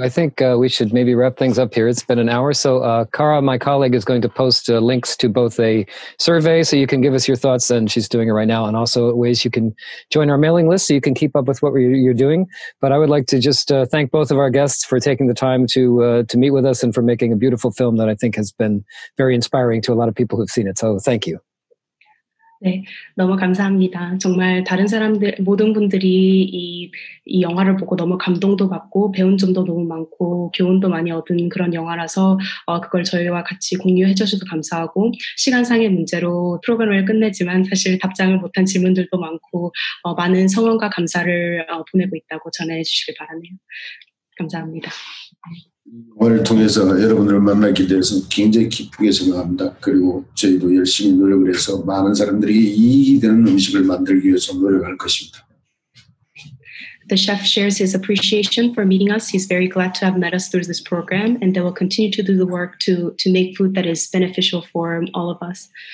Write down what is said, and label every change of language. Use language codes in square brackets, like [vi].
[en] I think we should maybe wrap things up here. It's been an hour. So Kara, my colleague, is going to post links to both a survey so you can give us your thoughts, and she's doing it right now, and also ways you can join our mailing list so you can keep up with what you're doing. But I would like to just thank both of our guests for taking the time to meet with us and for making a beautiful film that I think has been very inspiring to a lot of people who've seen it. So thank you. [ko] 네, 너무 감사합니다. 정말 다른 사람들, 모든 분들이 이 영화를 보고 너무 감동도 받고 배운 점도 너무 많고 교훈도 많이 얻은 그런 영화라서 그걸 저희와 같이 공유해 주셔서 감사하고, 시간상의 문제로 프로그램을 끝내지만 사실 답장을 못한 질문들도 많고 많은 성원과 감사를 보내고 있다고 전해 주시길 바라네요. 감사합니다. 영화를 통해서 여러분들을 만나게 돼서 굉장히 기쁘게 생각합니다. 그리고 저희도 열심히 노력을 해서 많은 사람들이 이익이 되는 음식을 만들기 위해서 노력할 것입니다. [en] The chef shares his appreciation for meeting us. He's very glad to have met us through this program, and they will continue to do the work to make food that is beneficial for all of us.